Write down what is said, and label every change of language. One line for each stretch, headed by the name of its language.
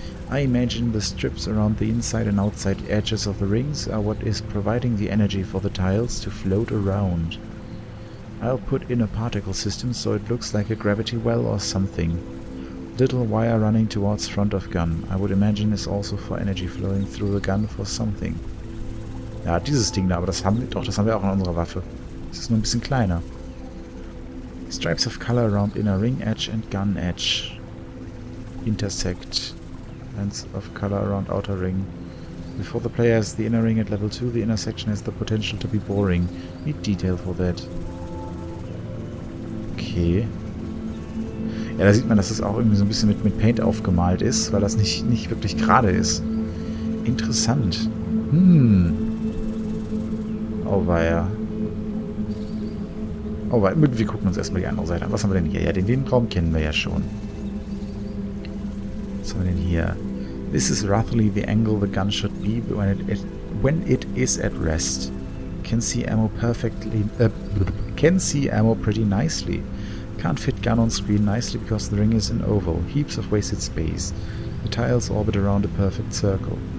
English: I imagine the strips around the inside and outside edges of the rings are what is providing the energy for the tiles to float around. I'll put in a particle system so it looks like a gravity well or something. Little wire running towards front of gun, I would imagine, is also for energy flowing through the gun for something.
German: Ja, dieses Ding da, aber das haben wir doch, das haben wir auch in unserer Waffe. Es ist nur ein bisschen kleiner.
English: Stripes of color around inner ring edge and gun edge. Intersect. Lines of color around outer ring. Before the player has the inner ring at level 2, the inner section has the potential to be boring. Need detail for that. Okay.
German: Ja, da sieht man, dass das auch irgendwie so ein bisschen mit Paint aufgemalt ist, weil das nicht wirklich gerade ist. Interessant. Oh weia. Wir gucken uns erstmal die andere Seite an. Was haben wir denn hier? Ja, den Raum kennen wir ja schon. Was haben wir denn hier?
English: This is roughly the angle the gun should be when it is at rest. Can see ammo pretty nicely. Can't fit gun on screen nicely because the ring is an oval. Heaps of wasted space. The tiles orbit around a perfect circle.